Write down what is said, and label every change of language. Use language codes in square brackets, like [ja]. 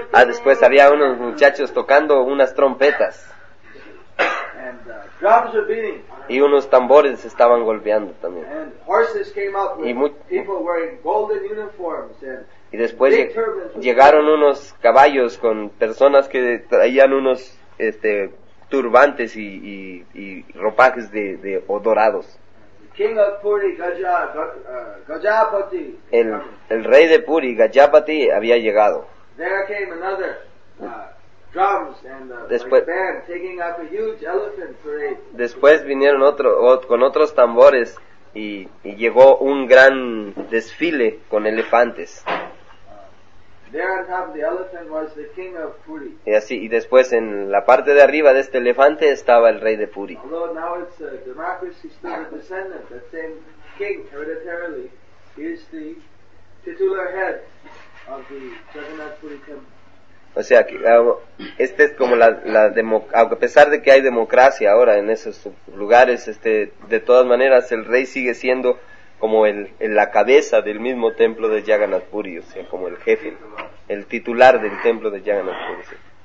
[es] Después había unos muchachos tocando unas trompetas. [en] And drums were beating. [es] Y unos tambores estaban golpeando también. [en] And horses came up with people wearing golden uniforms and [es] y después llegaron unos caballos con personas que traían unos turbantes y ropajes de dorados. [en] King of Puri, Gajapati. [es] El rey de Puri, Gajapati, había llegado. [en] There came another drums and [es] después, [en] like band taking up a huge elephant parade. [es] Después vinieron con otros tambores y llegó un gran desfile con elefantes. [en] There on top of the elephant was the king of Puri. [es] Y así, y después en la parte de arriba de este elefante estaba el rey de Puri. [en] Although now it's a democracy, still a descendant, the same king hereditarily is the titular head of the Jagannath Puri temple. [es] O sea, este es como la democracia, a pesar de que hay democracia ahora en esos lugares, de todas maneras el rey sigue siendo como el la cabeza del mismo templo de Jagannath Puri, o sea, como el jefe, el titular del templo de Jagannath Puri.